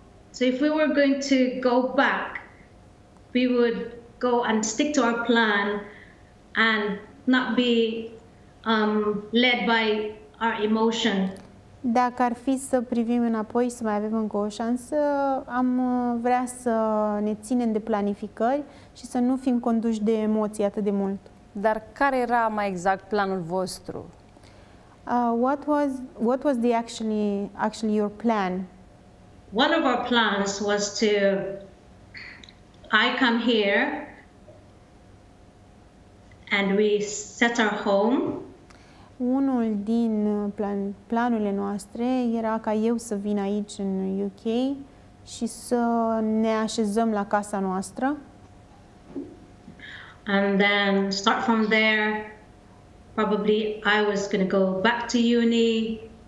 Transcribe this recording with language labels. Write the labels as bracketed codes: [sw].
[en] So if we were going to go back, we would go and stick to our plan and not be led by our emotion. [ro] Dacă ar fi să privim înapoi, să mai avem încă o șansă, am vrea să ne ținem de planificări și să nu fim conduși de emoții atât de mult. Dar care era mai exact planul vostru? [en] What was the actually your plan? One of our plans was to I come here and we set our home. [ro] Unul din planurile noastre era ca eu să vin aici în UK și să ne așezăm la casa noastră. [en] And then start from there. Probably I was going to go back to uni.